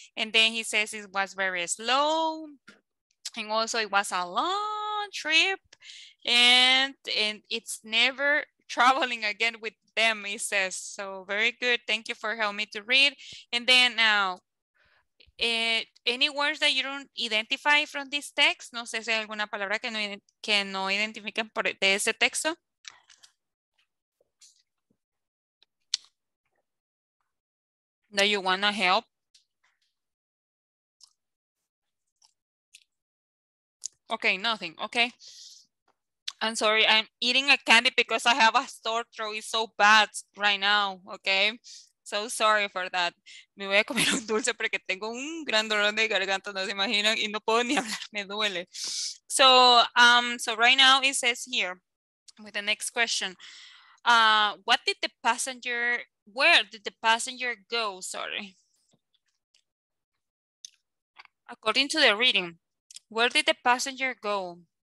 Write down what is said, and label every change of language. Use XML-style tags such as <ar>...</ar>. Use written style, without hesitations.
<en>And then he says it was very slow. And also it was a long trip. And it's never traveling again with them, he says. So very good. Thank you for helping me to read. And then now, any words that you don't identify from this text?</en> <es>No sé si hay alguna palabra que no identifiquen por de ese texto.</es> <en>That you wanna help? Okay, nothing. Okay. I'm sorry, I'm eating a candy because I have a sore throat. It's so bad right now, okay? So sorry for that.</en> <es>Me voy a comer un dulce porque tengo un gran dolor de garganta, no se imaginan, y no puedo ni hablar, me duele.</es> <en>So right now it says here, with the next question, where did the passenger go, sorry? According to the reading, where did the passenger go?</en>